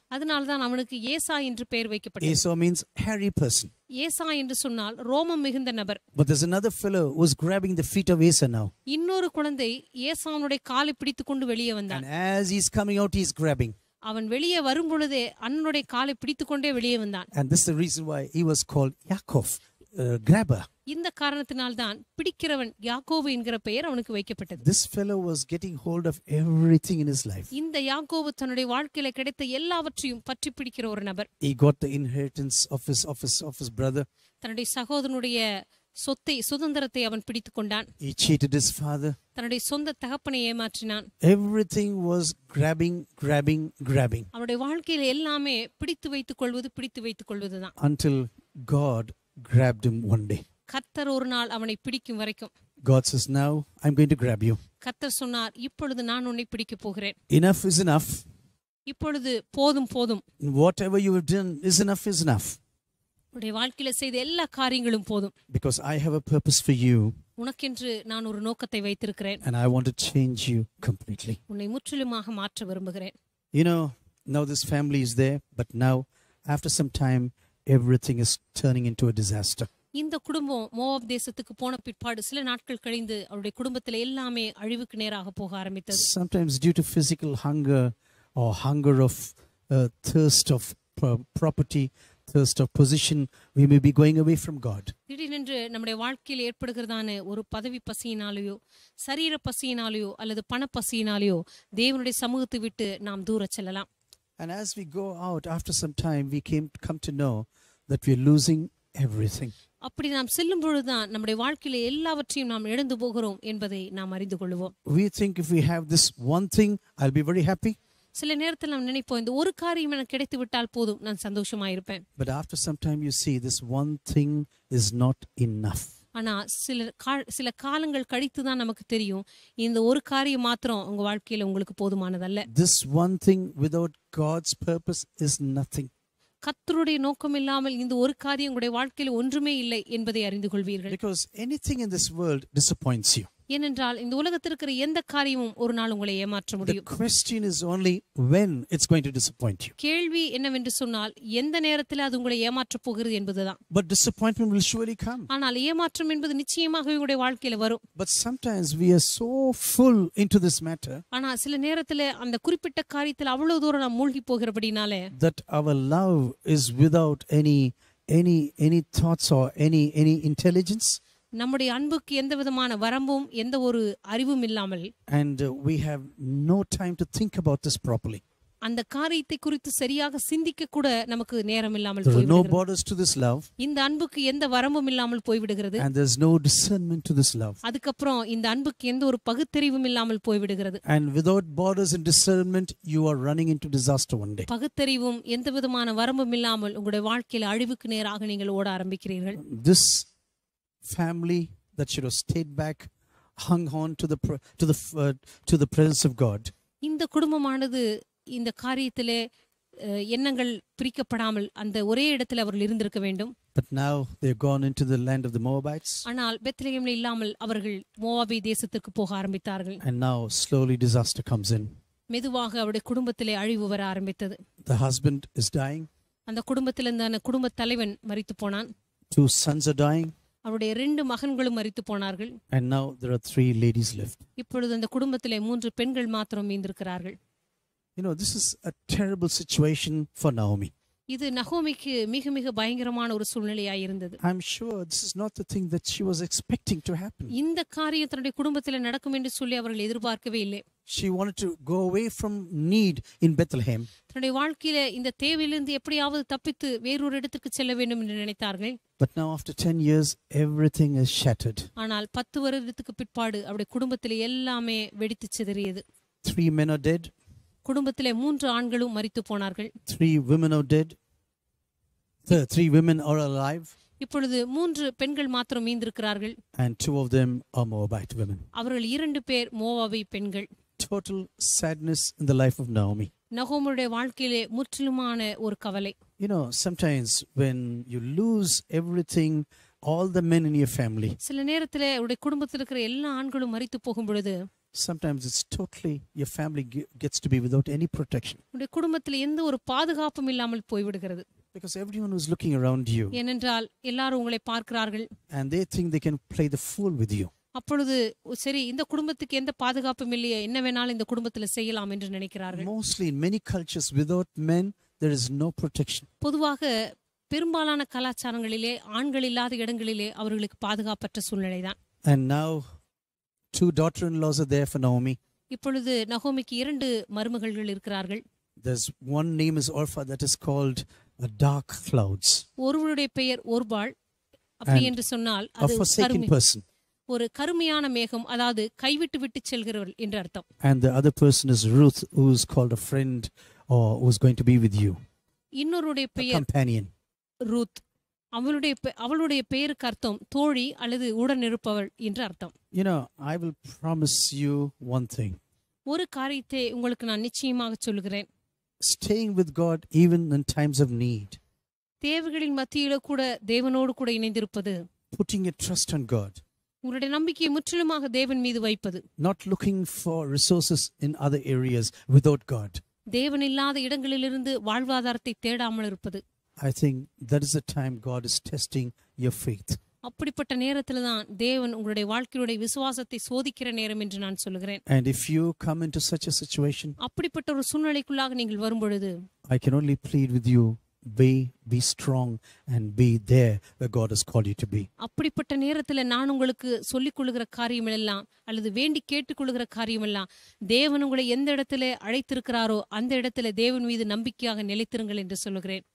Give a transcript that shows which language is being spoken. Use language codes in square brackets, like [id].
[ta] அதனால தான் அவனுக்கு ஏசா என்று பெயர் வைக்கப்பட்டது. [en] Esau means hairy person. [ta] ஏசா என்று சொன்னால் ரோமம் மிகுந்த நபர். [en] But there's another fellow who's grabbing the feet of Esau now. [ta] இன்னொரு குழந்தை ஏசாவுடைய காலை பிடித்துக்கொண்டு வெளியே வந்தான். [en] And as he's coming out, he's grabbing. [ta] அவன் வெளியே வரும் பொழுது அண்ணனுடைய காலை பிடித்துக்கொண்டே வெளியே வந்தான். [en] And this is the reason why he was called Yaakov, grabber. [ta] இந்த காரணத்தினால் தான் பிடிக்கிறவன் யாக்கோபு என்கிற பெயர் அவனுக்கு வைக்கப்பட்டது. [en] This fellow was getting hold of everything in his life. [ta] இந்த யாக்கோபு தன்னுடைய வாழ்க்கையில கிடைத்த எல்லாவற்றையும் பற்றி பிடிக்கிற ஒரு நபர். [en] He got the inheritance of his brother. [ta] தன்னுடைய சகோதரனுடைய சொத்தை சுதந்திரத்தை அவன் பிடித்துக் கொண்டான். [en] He cheated his father. [ta] தன்னுடைய சொந்த தகப்பனை ஏமாற்றினான். [en] Everything was grabbing, grabbing, grabbing. [ta] அவருடைய வாழ்க்கையில எல்லாமே பிடித்து வைத்துக் கொள்வது பிடித்து வைத்துக் கொள்வதுதான். [en] Until God grabbed him one day. [ta] கர்த்தர் ஒரு நாள் அவனை பிடிக்கும் வரைக்கும். [en] God says, now I'm going to grab you. [ta] கர்த்தர் சொன்னார், இப்பொழுது நான் உன்னை பிடிக்க போகிறேன். [en] Enough is enough. [ta] இப்பொழுது போதும் போதும். [en] Whatever you have done is enough is enough. [ta] உடைய வாழ்க்கையில செய்த எல்லா காரியங்களும் போதும். [en] Because I have a purpose for you. [ta] உனக்கென்று நான் ஒரு நோக்கத்தை வைத்திருக்கிறேன். [en] And I want to change you completely. [ta] உன்னை முற்றிலுமாக மாற்ற விரும்புகிறேன். [en] You know, now this family is there, but now after some time everything is turning into a disaster. [ta] இந்த குடும்பம் மோவாப் தேசத்துக்கு போன பிற்பாடு சில நாட்கள் கழிந்து அவருடைய குடும்பத்தில் எல்லாமே அழிவுக்கு நேராக போக ஆரம்பித்தது. [en] Sometimes due to physical hunger or hunger of thirst of property, thirst of position, we may be going away from God. [ta] திடீரென்று நம்முடைய வாழ்க்கையில் ஏற்படுகிறதான ஒரு பதவி பசியினாலேயோ, சரீர பசியினாலேயோ அல்லது பண பசியினாலேயோ தேவனுடைய சமூகத்தை விட்டு நாம் தூர செல்லலாம். [en] And as we go out after some time we come to know that we are losing everything. [ta] அப்படி நாம் செல்லும் பொழுதுதான் நம்முடைய வாழ்க்கையில எல்லாவற்றையும் நாம் இழந்து போகிறோம் என்பதை நாம் அறிந்து கொள்வோம். [en] We think if we have this one thing I'll be very happy. [ta] சில நேரத்தில் நாம் நினைப்போம், இந்த ஒரு காரியம் எனக்கு கிடைத்து விட்டால் போதும் நான் சந்தோஷமா இருப்பேன். [en] But after some time you see this one thing is not enough. [ta] ஆனா சில காலங்கள் கழித்து தான் நமக்கு தெரியும், இந்த ஒரு காரியம் மாத்திரம் உங்க வாழ்க்கையில உங்களுக்கு போதுமானதல்ல. [en] This one thing without God's purpose is nothing. [ta] கர்த்தருடைய நோக்கம் இல்லாமல் இந்த ஒரு காரியம் உங்களுடைய வாழ்க்கையில ஒன்றுமே இல்லை என்பதை அறிந்து கொள்வீர்கள். [en] Because anything in this world disappoints you. [ta] ஏனென்றால் இந்த உலகத்தில் இருக்கிற எந்த காரியமும் ஒரு நாள் உங்களை ஏமாற்ற முடியும். [en] The question is only when it's going to disappoint you. [ta] கேள்வி என்னவென்று சொன்னால் எந்த நேரத்தில் அது உங்களை ஏமாற்ற போகிறது என்பதுதான். [en] But disappointment will surely come. [ta] ஆனால் ஏமாற்றம் என்பது நிச்சயமாக உங்களுடைய வாழ்க்கையில வரும். [en] But sometimes we are so full into this matter. [ta] ஆனால் சில நேரத்தில் அந்த குறிப்பிட்ட காரியத்தில் அவ்வளவு தூரம் நாம் மூழ்கி போகிறபடினால [en] that our love is without any thoughts or any intelligence. [ta] நம்முடைய அன்புக்கு எந்த விதமான வரம்பும் எந்த ஒரு அறிவும் இல்லாமல் [en] and we have no time to think about this properly [ta] அந்த காரியத்தை குறித்து சரியாக சிந்திக்க கூட நமக்கு நேரம் இல்லாமல் போய்விடுகிறது [en] no borders to this love [ta] இந்த அன்புக்கு எந்த வரம்பும் இல்லாமல் போய்விடுகிறது [en] and there's no discernment to this love [ta] அதுக்கு அப்புறம் இந்த அன்புக்கு எந்த ஒரு பகுத்தறிவும் இல்லாமல் போய்விடுகிறது [en] and without borders and discernment you are running into disaster one day [ta] பகுத்தறிவும் எந்த விதமான வரம்பும் இல்லாமல் உங்களுடைய வாழ்க்கையில் அழிவுக்கு நேராக நீங்கள் ஓட ஆரம்பிக்கிறீர்கள் [en] this family that should have stayed back hung on to the presence of god [ta] இந்த குடும்பமானது இந்த காரியத்திலே எண்ணங்கள் பிரிக்கப்படாமல் அந்த ஒரே இடத்தில் அவர்கள் இருந்திருக்க வேண்டும் [en] but now they have gone into the land of the moabites [ta] ஆனால் பெத்லகேமில் இல்லாமல் அவர்கள் மோவாபி தேசத்துக்கு போக ஆரம்பித்தார்கள் [en] and now slowly disaster comes in [ta] மெதுவாக அவருடைய குடும்பத்திலே அழிவு வர ஆரம்பித்தது [en] the husband is dying [ta] அந்த குடும்பத்திலிருந்தான குடும்ப தலைவன் மரித்து போனான் [en] two sons are dying [ta] அவருடைய ரெண்டு மகன்களும் மரித்து போனார்கள் [en] and now there are three ladies left [ta] இப்பொழுது அந்த குடும்பத்திலே மூன்று பெண்கள் மட்டும் மீந்திருக்கிறார்கள் [en] You know this is a terrible situation for Naomi. [ta] இது நகோமிக்கு மிக மிக பயங்கரமான ஒரு சூழ்நிலையாய் இருந்தது. [en] I'm sure this is not the thing that she was expecting to happen. [ta] இந்த காரியம் தன்னுடைய குடும்பத்திலே நடக்கும் என்று சொல்லி அவர்கள் எதிர்பார்க்கவே இல்லை. [en] She wanted to go away from need in Bethlehem. [ta] தன்னுடைய வாழ்க்கையில இந்த தேவையிலிருந்து எப்படியாவது தப்பித்து வேறொரு இடத்துக்கு செல்ல வேண்டும் என்று நினைத்தார்கள். [en] But now after 10 years everything is shattered. [ta] ஆனால் 10 வருடத்துக்கு பிற்பாடு அவருடைய குடும்பத்திலே எல்லாமே வெடித்து சிதறியது. [en] 3 men are dead. [ta] குடும்பத்திலே மூன்று ஆண்களும் மரித்து போனார்கள் [en] three women are alive [ta] இப்பொழுது மூன்று பெண்கள் மட்டும் மீந்திருக்கிறார்கள் [en] and two of them are moabite women [ta] அவர்கள் இரண்டு பேர் மோவாபி பெண்கள் [en] total sadness in the life of naomi [ta] நகோமியுடைய வாழ்க்கையிலே முற்றிலுமான ஒரு கவலை [en] you know sometimes when you lose everything all the men in your family [ta] சில நேரத்திலே உங்கள் குடும்பத்தில் இருக்கிற எல்லா ஆண்களும் மரித்து போகும் பொழுது [en] sometimes it's totally your family gets to be without any protection [ta] உங்க குடும்பத்தில் எந்த ஒரு பாதுகாப்பும் இல்லாமல் போய் விடுகிறது [en] because everyone is looking around you [ta] ஏனென்றால் எல்லாரும் உங்களை பார்க்கிறார்கள் [en] and they think they can play the fool with you [ta] அப்பொழுது சரி இந்த குடும்பத்துக்கு எந்த பாதுகாப்பும் இல்லையே என்ன வேணாலும் இந்த குடும்பத்தில் செய்யலாம் என்று நினைக்கிறார்கள் [en] mostly in many cultures without men there is no protection [ta] பொதுவாக பெரும்பாலான கலாச்சாரங்களிலே ஆண்கள் இல்லாத இடங்களிலே அவர்களுக்கு பாதுகாப்பற்ற சூழ்நிலைதான் [en] and now two daughter-in-laws are there for Naomi [ta] இப்பொழுது நகோமிக்கு இரண்டு மருமகள்கள் இருக்கிறார்கள் [en] there's one name is Orpha that is called a dark clouds [ta] ஒருவருடைய பெயர் ஒருபால் அப்படி என்று சொன்னால் அது [en] a forsaken person [ta] ஒரு கருமையான மேகம் அதாவது கைவிட்டு விட்டு செல்கிறவர் என்று அர்த்தம் [en] and the other person is Ruth who is called a friend or who is going to be with you [ta] இன்னொருடைய பெயர் [en] companion [ta] Ruth அவளுடைய பெயருக்கு அர்த்தம் தோழி அல்லது உடனிருப்பவள் என்று அர்த்தம் [en] you know I will promise you one thing [ta] ஒரு காரியத்தை உங்களுக்கு நான் நிச்சயமாக சொல்கிறேன் [en] staying with god even in times of need [ta] தேவைகளின் மத்தியிலே கூட தேவனோடு கூட இணைந்திருப்பது [en] putting a trust on god [ta] உங்களுடைய நம்பிக்கையை முற்றிலுமாக தேவன் மீது வைப்பது [en] not looking for resources in other areas without god [ta] தேவன் இல்லாத இடங்களிலிருந்து வாழ்வாதாரத்தை தேடாமல் இருப்பது [en] I think that is the time God is testing your faith. [ta] அப்படிப்பட்ட நேரத்தில தான் தேவன் உங்களுடைய வாழ்க்கையுடைய விசுவாசத்தை சோதிக்கிற நேரம் என்று நான் சொல்கிறேன். [en] And if you come into such a situation, [ta] அப்படிப்பட்ட ஒரு சூழ்நிலைக்குள்ளாக நீங்கள் வரும் பொழுது, [en] I can only plead with you, be strong and be there where God has called you to be. [ta] அப்படிப்பட்ட நேரத்தில நான் உங்களுக்கு சொல்லிக் கொள்ளுகிற காரியம் எல்லாம் அல்லது வேண்டி கேட்டுக் கொள்ளுகிற காரியம் எல்லாம் தேவன் உங்களை எந்த இடத்துல அழைத்திருக்கிறாரோ அந்த இடத்துல தேவன் மீது நம்பிக்கையாக நிலைத்திருங்கள் என்று சொல்கிறேன்